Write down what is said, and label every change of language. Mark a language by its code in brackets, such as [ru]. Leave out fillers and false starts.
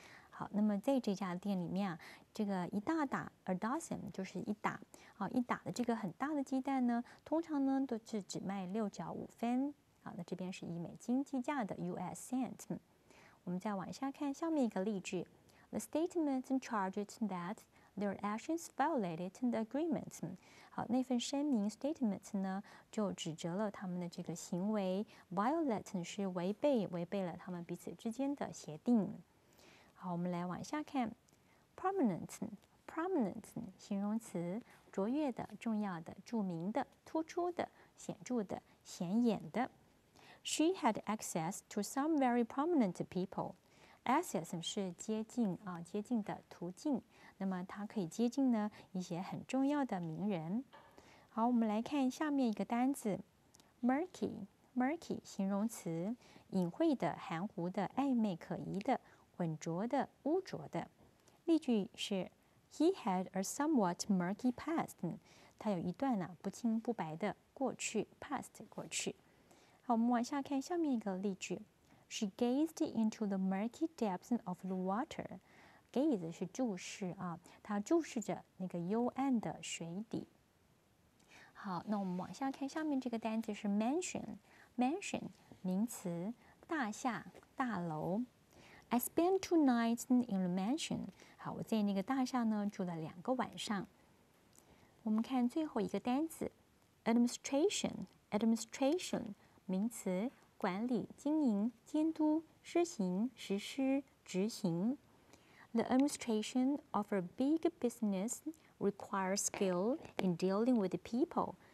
[zh] 好，那么在这家店里面、啊、这个一大打 [en] a dozen [zh] 就是一打、哦、一打的这个很大的鸡蛋呢，通常呢都是只卖六角五分。好，那这边是以美金计价的 US cent。我们再往下看下面一个例句。 [en] The statement charges that their actions violated the agreement. [zh] 好，那份声明 statement 呢，就指责了他们的这个行为 violate 是违背，违背了他们彼此之间的协定。好，我们来往下看 prominent, prominent 形容词，卓越的、重要的、著名的、突出的、显著的、显眼的。 [en] She had access to some very prominent people. [zh] Access 是接近、啊、接近的途径，那么它可以接近呢一些很重要的名人。好，我们来看下面一个单字 murky, murky 形容词，隐晦的、含糊的、暧昧可疑的、浑浊的、污浊的。例句是 [en] He had a somewhat murky past, [zh] 他有一段、啊、不清不白的过去 past 过去。好，我们往下看下面一个例句。 [en] She gazed into the murky depths of the water. [zh] Gaze 是注视啊，她注视着那个幽暗的水底。好，那我们往下看下面这个单词是 mansion. Mansion 名词，大厦、大楼。 [en] I spent two nights in the mansion. [zh] 好，我在那个大厦呢住了两个晚上。我们看最后一个单词 administration. Administration 名词。管理、经营、监督、施行、实施、执行。 [en] The administration of a big business requires skill in dealing with people.